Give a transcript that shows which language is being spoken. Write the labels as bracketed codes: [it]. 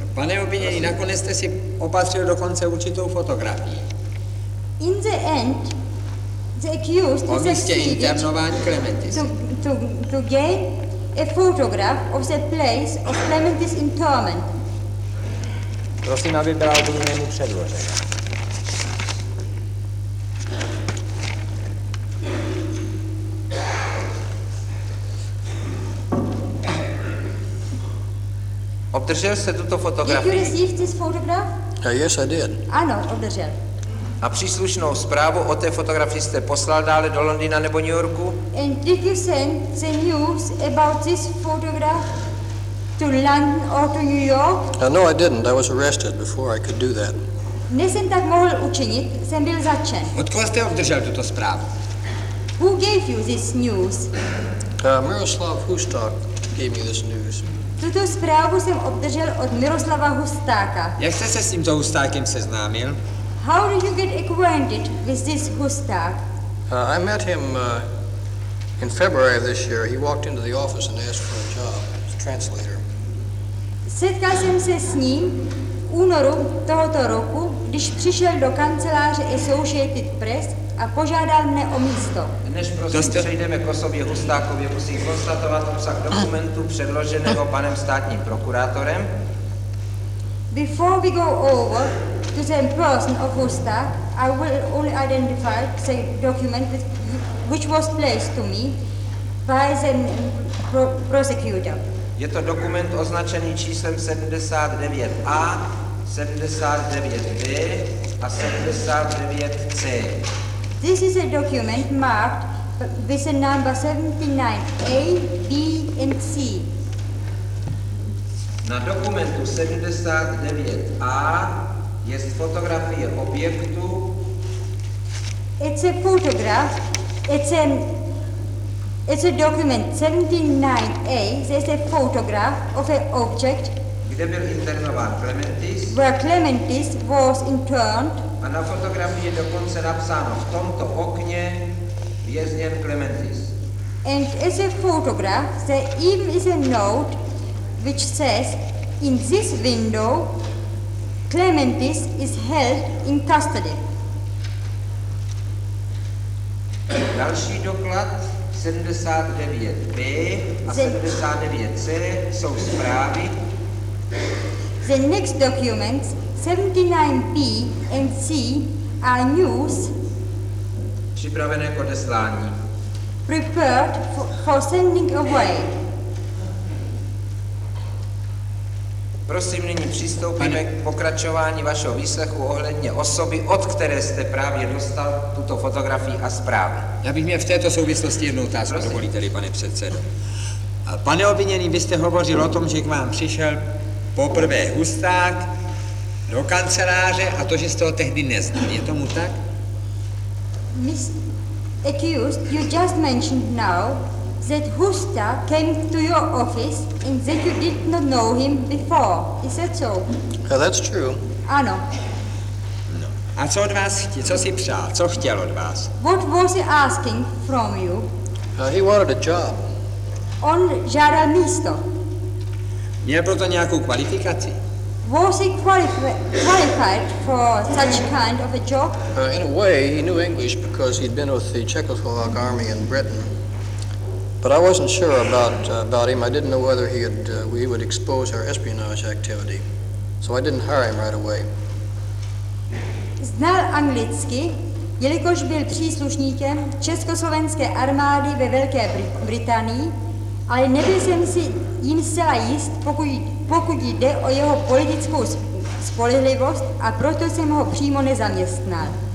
[cs] Pane obvinění, nakonec jste si opatřil dokonce určitou fotografii. [en] In the end, the accused [cs] o místě internování Clementise. [en] To gain a photograph of the place of Clementis internment. [cs] Prosím, aby byla obviněnému předložena. Obdržel jste tuto fotografii? [en] Did you receive this photograph? Yes, I did. [cs] Ano, obdržel. A příslušnou zprávu o té fotografii jste poslal dále do Londýna nebo New Yorku? [en] And did you send the news about this photograph to London or to New York? No, I didn't. I was arrested before I could do that. [cs] Nesem tak mohl učinit, jsem byl zatčen. Od koho jste obdržel tuto zprávu? [en] Who gave you this news? Miroslav Hustak gave me this news. [cs] Tuto zprávu jsem obdržel od Miroslava Hustáka. Jak jste se s tímto Hustákem seznámil? [en] How did you get acquainted with this Hustak? I met him in February of this year. He walked into the office and asked for a job as a translator. [cs] Setkal jsem se s ním v únoru tohoto roku, když přišel do kanceláře Associated Press a požádal mne o místo. Než prosím přejdeme k osobě Hustákově, musím konstatovat obsah dokumentu předloženého panem státním prokurátorem. [en] Before we go over to the person of Hustak, I will only identify the document which was placed to me by the prosecutor. [cs] Je to dokument označený číslem 79A, 79B a 79C. [en] This is a document marked with the number 79A, B and C. [cs] Na dokumentu 79A je fotografie objektu. [en] It's a photograph. It's a document 79A. There's a photograph of an object. [cs] Kde byl internován Clementis? [en] Where Clementis was interned. [cs] A na fotografii je dokonce napsáno v tomto okně vězněn Clementis. [en] And as a photograph, there even is a note which says, in this window, Clementis is held in custody. [cs] Další doklad 79B a 79C jsou zprávy. [en] The next documents, 79B and C, are news. [cs] Připravené k odeslání. [en] Prepared for sending away. [cs] Prosím, nyní přistoupíme k pokračování vašeho výslechu ohledně osoby, od které jste právě dostal tuto fotografii a zprávy. Já bych měl v této souvislosti jednu otázku, dovolíte-li, pane předsedo. Pane obviněný, vy jste hovořil o tom, že k vám přišel poprvé Husták do kanceláře a to, že jste ho tehdy neznal. Je tomu tak? [en] Miss accused, you just mentioned now that Hustak came to your office and that you did not know him before. Is that so? Yeah, that's true. [cs] Ano. No. A co od vás chtěl? Co si přál? Co chtěl od vás? [en] What was he asking from you? He wanted a job. [cs] On žádal místo. Měl proto nějakou kvalifikaci? [en] Was he qualified for such kind of a job? In a way, he knew English because he'd been with the Czechoslovak army in Britain. But I wasn't sure about him. I didn't know whether he would expose our espionage activity. So I didn't hire him right away. [cs] Znal anglicky, jelikož byl příslušníkem Československé armády ve Velké Británii, ale nebyl jsem si jim zcela jist, pokud jde o jeho politickou spolehlivost, a proto jsem ho přímo nezaměstnal.